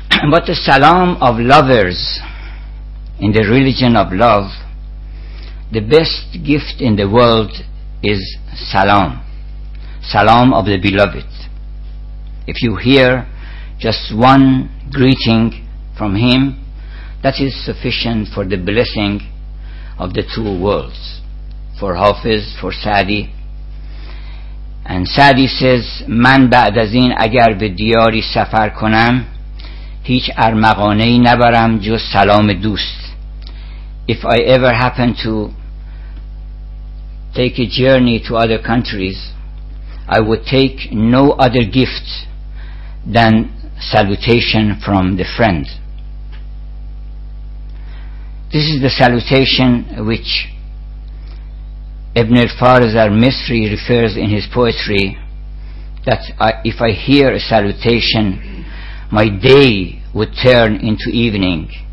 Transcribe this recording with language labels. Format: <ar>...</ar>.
<en>But the salam of lovers in the religion of love, the best gift in the world is salam, salam of the beloved. If you hear just one greeting from him, that is sufficient for the blessing of the two worlds, for Hafiz, for Saadi. And Saadi says,</en> <fa>من بعد از این اگر به دیاری سفر کنم هیچ ارمغانه ای نبرم جز سلام دوست.</fa> <en>If I ever happen to take a journey to other countries, I would take no other gift than salutation from the friend. This is the salutation which Ibn al-Farz al-Misri refers in his poetry, that if I hear a salutation, my day would turn into evening.</en>